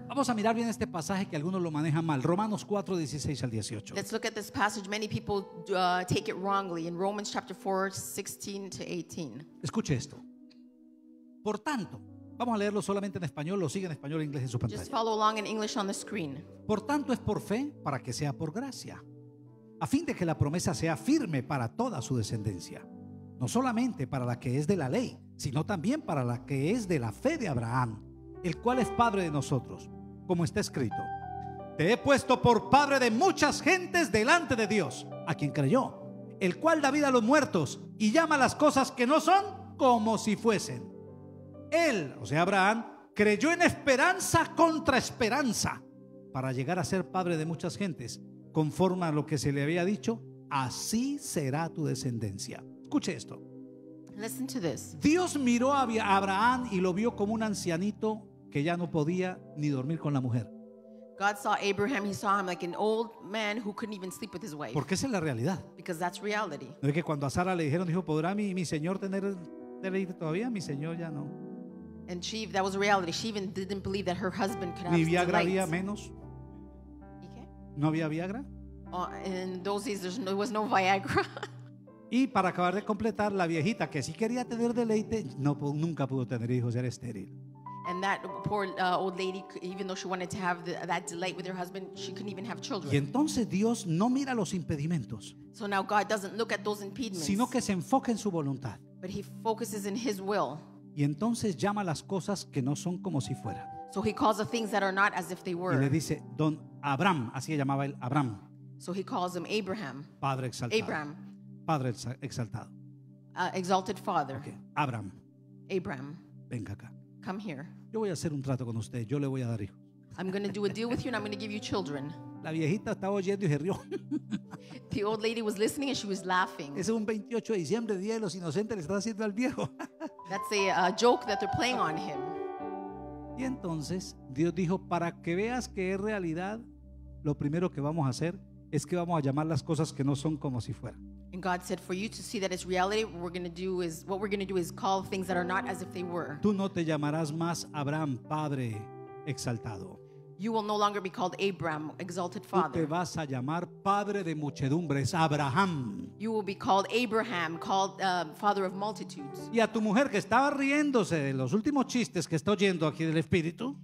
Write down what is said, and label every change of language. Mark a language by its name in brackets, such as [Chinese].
[Spanish] Vamos a mirar bien este pasaje que algunos lo manejan mal. Romanos 4, 16 al 18. [English] Let's look at this passage. Many people take it wrongly in Romans chapter 4, 16 to 18. [Spanish] Escuche esto. Por tanto, vamos a leerlo solamente en español, lo sigue en español e inglés en su pantalla. [English] Just follow along in English on the screen. [Spanish] Por tanto, es por fe para que sea por gracia. A fin de que la promesa sea firme para toda su descendencia, no solamente para la que es de la ley, sino también para la que es de la fe de Abraham, el cual es padre de nosotros, como está escrito: te he puesto por padre de muchas gentes delante de Dios, a quien creyó, el cual da vida a los muertos y llama las cosas que no son como si fuesen. Él, o sea Abraham, creyó en esperanza contra esperanza para llegar a ser padre de muchas gentes, conforme a lo que se le había dicho, así será tu descendencia. Escuche esto. [English] Listen to this. [Spanish] Dios miró a Abraham y lo vio como un ancianito que ya no podía ni dormir con la mujer. [English] God saw Abraham, he saw him like an old man who couldn't even sleep with his wife. [Spanish] Porque esa es la realidad. [English] Because that's reality. [Spanish] No es que cuando a Sara le dijeron, dijo, ¿podrá mi señor tener deleite todavía? Mi señor ya no. [English] And she, that was reality. She even didn't believe that her husband could have delight. [Spanish] Ni Viagra había menos. No había Viagra. [English] In those days, there was no Viagra. [Spanish] Y para acabar de completar, la viejita que sí quería tener deleite, no, nunca pudo tener hijos, era estéril. [English] And that poor old lady, even though she wanted to have that delight with her husband, she couldn't even have children. [Spanish] Y entonces Dios no mira los impedimentos. [English] So now God doesn't look at those impediments. [Spanish] Sino que se enfoca en su voluntad. [English] But he focuses in his will. [Spanish] Y entonces llama las cosas que no son como si fueran. [English] So he calls the things that are not as if they were. [Spanish] Y le dice, Don Abraham, así llamaba él, Abraham. [English] So he calls him Abraham. [Spanish] Padre exaltado. Abraham. Padre exaltado. [English] Exalted father. Okay. Abraham. Abraham. [Spanish] Venga acá. [English] Come here. [Spanish] Yo voy a hacer un trato con usted. Yo le voy a dar hijos. [English] I'm going to do a deal with you, and I'm going to give you children. [Spanish] La viejita estaba oyendo y se rió. [English] The old lady was listening and she was laughing. [Spanish] Ese es un 28 de diciembre, día de los inocentes, le está haciendo al viejo. [English] That's a joke that they're playing on him. [Spanish] Y entonces Dios dijo, para que veas que es realidad, lo primero que vamos a hacer es que vamos a llamar las cosas que no son como si fueran. [English] And God said, for you to see that it's reality, what we're going to do is call things that are not as if they were. [Spanish] Tú no te llamarás más Abraham, padre exaltado. [English] You will no longer be called Abraham, exalted father. [Spanish] Tú te vas a llamar padre de muchedumbres, Abraham. [English] You will be called Abraham, called father of multitudes. [Spanish] Y a tu mujer que estaba riéndose de los últimos chistes que está oyendo aquí del espíritu.